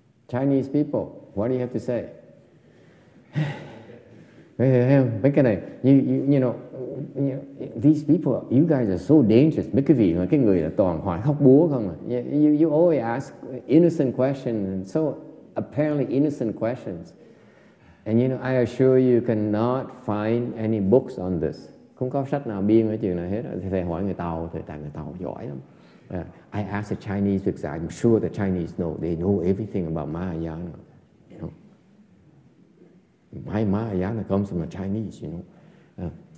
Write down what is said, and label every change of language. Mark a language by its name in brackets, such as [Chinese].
[English] Chinese people, what do you have to say? [Vietnamese] Mấy cái này, [English] you know, these people, you guys are so dangerous. [Vietnamese] Mấy cái vị là cái người là toàn hỏi khóc búa không à? [English] You always ask innocent questions, and so apparently innocent questions. And you know, I assure you cannot find any books on this. [Vietnamese] Không có sách nào biên ở chuyện này hết. Thầy hỏi người Tàu, thầy tại người Tàu giỏi lắm. [English] I ask the Chinese, because I'm sure the Chinese know, they know everything about Mahayana. My Mahayana comes from the Chinese, you know.